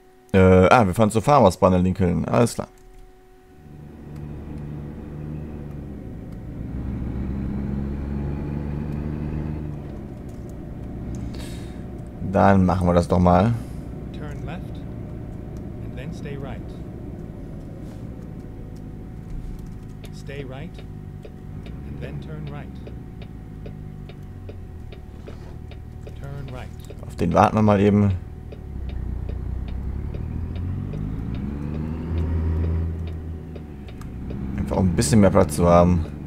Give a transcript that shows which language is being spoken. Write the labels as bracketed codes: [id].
[de] Wir fahren zur Farmers Barn in Lincoln. Alles klar. Dann machen wir das doch mal. [en] Turn left and then stay right. Stay right and then turn right. Turn right. [de] Auf den warten wir mal eben. Einfach um ein bisschen mehr Platz zu haben.